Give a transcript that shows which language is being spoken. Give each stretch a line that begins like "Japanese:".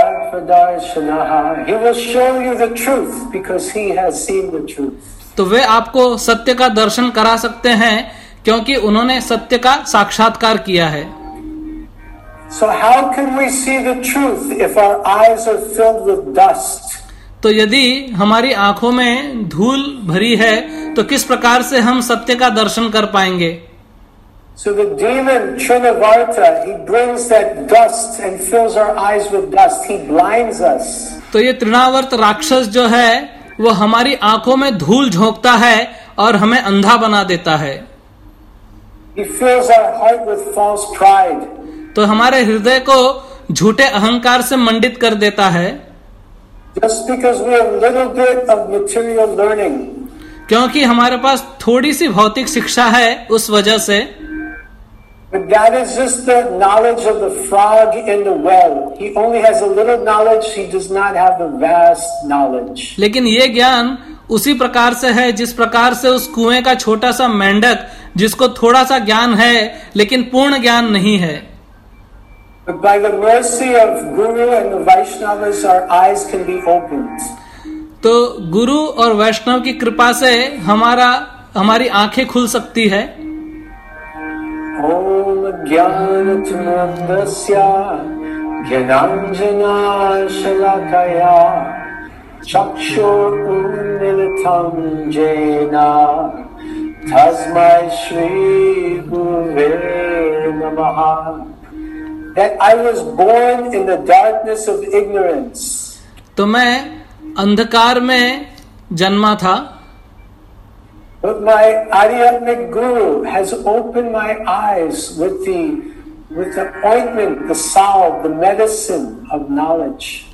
English: He will show you the truth because he has seen the truth.
Hindi: तो वे आपको सत्य का दर्शन करा सकते हैं क्योंकि उन्होंने सत्य का साक्षात्कार किया है.
English: So how can we see the truth if our eyes are filled with dust?
Hindi: तो यदि हमारी आंखों में धूल भरी है तो किस प्रकार से हम सत्य का दर्शन कर पाएंगे?
English: So the demon Trinavarta, he brings that dust and fills our eyes with dust. He blinds us.
Hindi: तो ये त्रिनावर्त राक्षस जो है वो हमारी आंखों में धूल झोंकता है और हमें अंधा बना देता है.
English: He fills our heart with false pride.
Hindi: तो हमारे हृदय को झूठे अहंकार से मंडित कर देता है.
English: Just because we have little bit of material learning.
Hindi: क्योंकि हमारे पास थोड़ी सी भौतिक शिक्षा है उस वजह से.
English: But that is just the knowledge of the frog in the well. He only has a little knowledge. He does not have the vast knowledge.
Hindi: लेकिन ये ज्ञान उसी प्रकार से है जिस प्रकार से उस कुएं का छोटा सा मेंढक जिसको थोड़ा सा ज्ञान है लेकिन पूर्ण ज्ञान नहीं है.
English: By the mercy of Guru and the Vaishnavas, our eyes can be opened.
Hindi: तो गुरु और वैष्णव की कृपा से हमारा हमारी आंखें खुल सकती है.
Sanskrit: ओम ज्ञान चुनंदस्या ज्ञानाञ्जनाशलाकया चक्षुरुन्मीलितं येन तस्मै श्रीगुरवे नमः.
English: That I was born in the darkness of ignorance.
Hindi: तो मैं अंधकार में जन्मा था.
English: But my Aryatmik Guru has opened my eyes with the ointment, the salve, the medicine of knowledge.